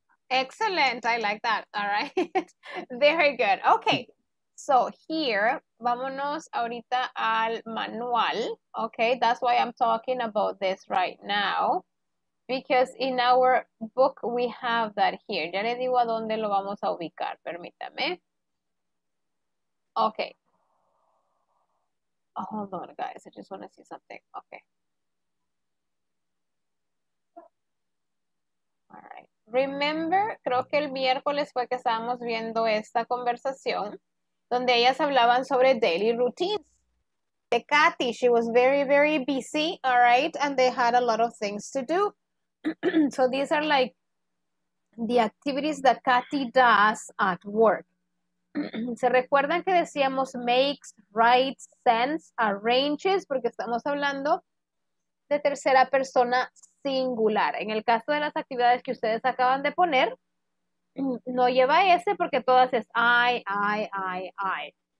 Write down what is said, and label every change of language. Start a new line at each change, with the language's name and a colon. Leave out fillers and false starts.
English: Excellent. I like that. All right. Very good. Okay. So here,
Spanish: vámonos ahorita al manual, okay?
English: That's why I'm talking about this right now, because in our book, we have that here.
Spanish: Ya le digo a dónde lo vamos a ubicar, permítame.
English: Okay. Oh, hold on, guys, I just want to see something. Okay. All right.
Spanish: Remember, creo que el miércoles fue que estábamos viendo esta conversación, donde ellas hablaban sobre daily routines.
English: De Kathy, she was very, very busy, all right? And they had a lot of things to do. So these are like the activities that Kathy does at work.
Spanish: ¿Se recuerdan que decíamos makes, writes, sends, arranges? Porque estamos hablando de tercera persona singular. En el caso de las actividades que ustedes acaban de poner, no lleva ese porque todas es I.